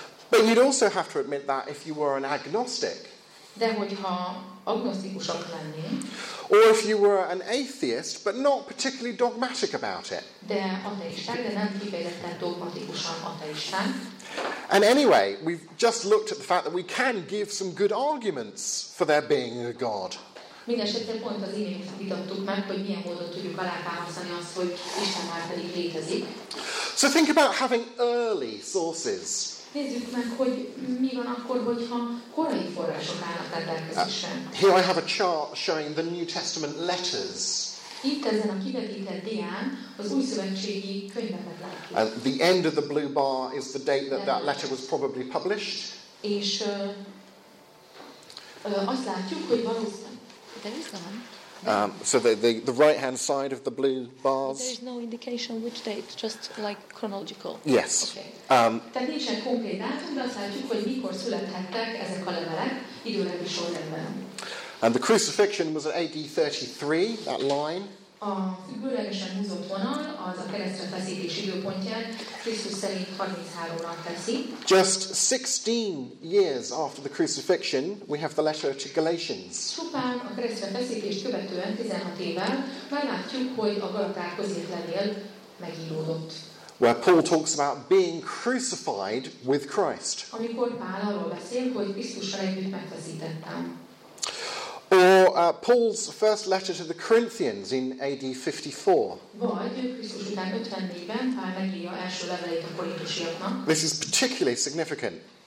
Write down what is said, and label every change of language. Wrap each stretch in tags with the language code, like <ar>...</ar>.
<en>But you'd also have to admit that if you were an agnostic, or if you were an atheist, but not particularly dogmatic about it.</en> <hu>De ateisták, de nem kifejezetten dogmatikusan ateisták.</hu> <en>And anyway, we've just looked at the fact that we can give some good arguments for there being a God.</en> <hu>Mindenesetre pont az imént vitattuk meg, hogy milyen módon tudjuk alátámasztani azt, hogy Isten már pedig létezik.</hu> <en>So think about having early sources.</en> <hu>Nézzük meg, hogy mi van akkor, hogyha korai források állnak rendelkezésre.</hu> <en>Here I have a chart showing the New Testament letters.</en> <hu>Itt ezen a kivetített dián az új szövetségi könyveket látjuk.</hu> <en>And the end of the blue bar is the date that that letter was probably published.</en> <hu>És azt látjuk, hogy valószínűleg...</hu> <en>So the right-hand side of the blue bars. There is no indication which date, just like chronological. Yes.</en> <hu>Tehát nincsen konkrét dátum, de azt látjuk, hogy mikor születhettek ezek a levelek időrendi sorrendben.</hu> <en>And the crucifixion was at AD 33, that line.</en> <hu>A függőlegesen húzott vonal az a keresztre feszítés időpontját Krisztus szerint 33-ra teszi.</hu> <en>Just 16 years after the crucifixion, we have the letter to Galatians.</en> <hu>Csupán a keresztre feszítést követően 16 évvel már látjuk, hogy a Galatákhoz írt levél megíródott.</hu> <en>Where Paul talks about being crucified with Christ.</en> <hu>Amikor Pál arról beszél, hogy Krisztussal együtt megfeszítettem.</hu> <en>Or Paul's first letter to the Corinthians in AD 54. This is particularly significant.</en>